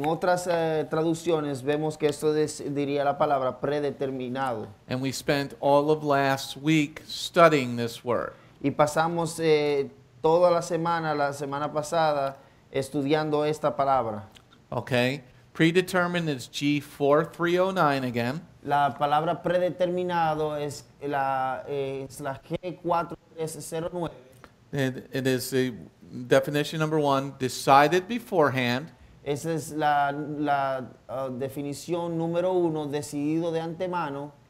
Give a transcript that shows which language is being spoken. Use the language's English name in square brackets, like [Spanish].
[Spanish] En otras traducciones vemos que esto diría la palabra predeterminado. [English] And we spent all of last week studying this word. [Spanish] Y pasamos toda la semana pasada estudiando esta palabra. [English] Okay, predetermined is G4309 again. [Spanish] La palabra predeterminado es la G4309. [English] It is the definition number one, decided beforehand. [Spanish] Esa es la definición número uno, decidido de antemano.